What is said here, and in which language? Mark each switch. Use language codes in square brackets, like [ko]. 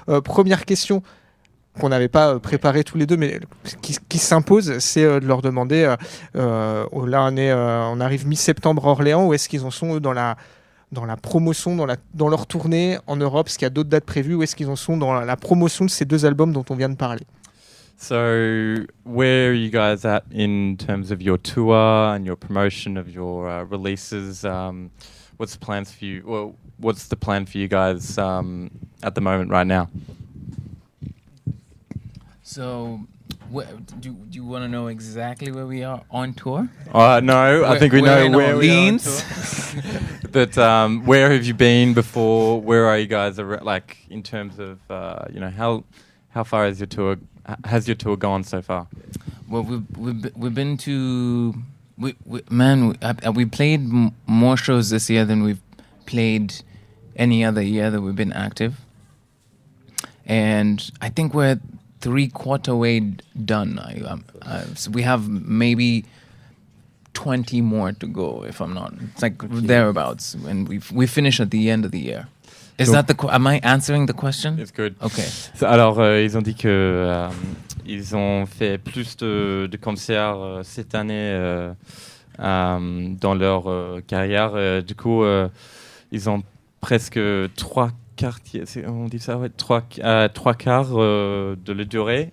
[fr] Première question qu'on n'avait pas préparé tous les deux, mais qui s'impose, c'est de leur demander, là on arrive mi-septembre à Orléans, où est-ce qu'ils en sont, eux, dans la, dans la promotion, dans leur tournée en Europe? Est-ce qu'il y a d'autres dates prévues? Où est-ce qu'ils en sont dans la promotion de ces deux albums dont on vient de parler? [en] So, where are you guys at in terms of your tour and your promotion of your releases? What's the plans for you? Well, what's the plan for you guys at the moment, right now? So, do you want to know exactly where we are on tour? No, I think we know where we are on tour. But where have you been before? Where are you guys? Like in terms of you know, how far is your tour? Has your tour gone so far? Well, we've played more shows this year than we've played any other year that we've been active. And I think we're 3/4 way done. So we have maybe 20 more to go, if I'm not. It's like thereabouts. And we finish at the end of the year. Am I answering the question? It's good. Okay. [fr] Alors, ils ont dit que ils ont fait plus de concerts cette année dans leur carrière. Du coup, ils ont presque trois quarts de la durée.